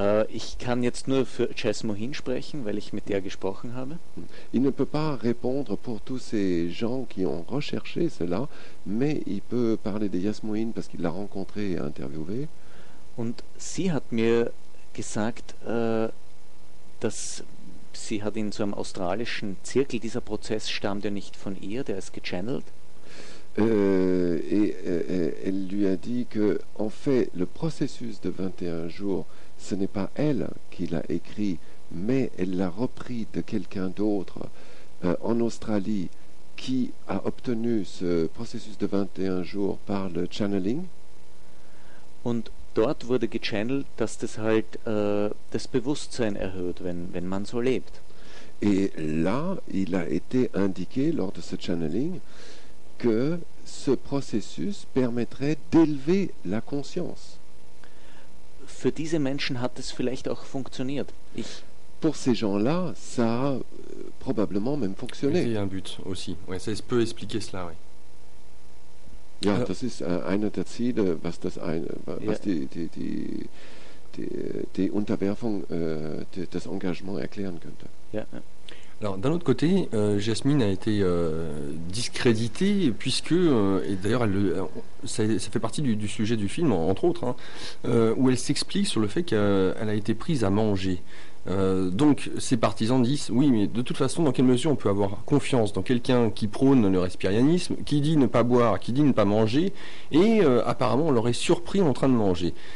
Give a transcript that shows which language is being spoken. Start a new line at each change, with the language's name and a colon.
German: Ich kann jetzt nur für Jasmine sprechen, weil ich mit der gesprochen habe.
French: Il ne peut pas répondre pour tous ces gens qui ont recherché cela, mais il peut parler de Jasmine parce qu'il l'a rencontrée et interviewée.
German: Und sie hat mir gesagt, dass sie hat in so einem australischen Zirkel, dieser Prozess stammt ja nicht von ihr, der ist gechannelt.
French: Elle lui a dit que en fait le processus de 21 jours, ce n'est pas elle qui l'a écrit, mais elle l'a repris de quelqu'un d'autre en Australie qui a obtenu ce processus de 21 jours par le channeling.
German: Und dort wurde gechannelt, dass das halt das Bewusstsein erhöht, wenn man so lebt.
French: Et là, il a été indiqué lors de ce channeling que ce processus permettrait d'élever la conscience.
German: Für diese Menschen hat es vielleicht auch funktioniert.
French: Pour ces gens-là, ça a probablement même fonctionné. Il y a un but aussi. Ouais, ça peut expliquer cela, oui.
German: Ja, alors, das ist einer der Ziele, was die Unterwerfung, das Engagement erklären könnte. Ja.
French: Alors, d'un autre côté, Jasmine a été discréditée, puisque, et d'ailleurs, ça fait partie du sujet du film, entre autres, où elle s'explique sur le fait qu'elle a été prise à manger. Donc, ses partisans disent, oui, mais de toute façon, dans quelle mesure on peut avoir confiance dans quelqu'un qui prône le respiranisme, qui dit ne pas boire, qui dit ne pas manger, et apparemment, on l'aurait surpris en train de manger.